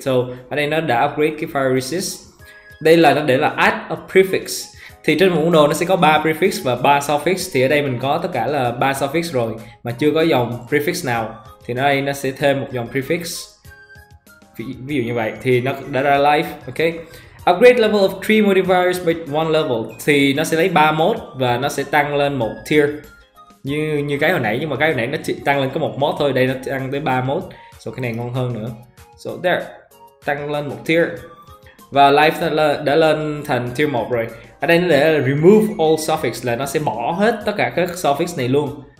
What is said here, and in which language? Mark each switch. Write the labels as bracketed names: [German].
[Vietnamese] So ở đây nó đã upgrade cái fire resist. Đây là nó để là add a prefix. Thì trên một món đồ nó sẽ có 3 prefix và 3 suffix. Thì ở đây mình có tất cả là 3 suffix rồi mà chưa có dòng prefix nào. Thì ở đây nó sẽ thêm một dòng prefix. Ví dụ như vậy thì nó đã ra life. Ok. [English] Upgrade level of 3 modifiers by 1 level. [Vietnamese] Thì nó sẽ lấy 3 mod và nó sẽ tăng lên một tier. Như cái hồi nãy, nhưng mà cái hồi nãy nó chỉ tăng lên có một mod thôi, đây nó tăng tới 3 mod. So cái này ngon hơn nữa. [English] So there, [Vietnamese] tăng lên một tier. Và life đã lên thành tier 1 rồi. Ở đây nó để là remove all suffix, là nó sẽ bỏ hết tất cả các suffix này luôn.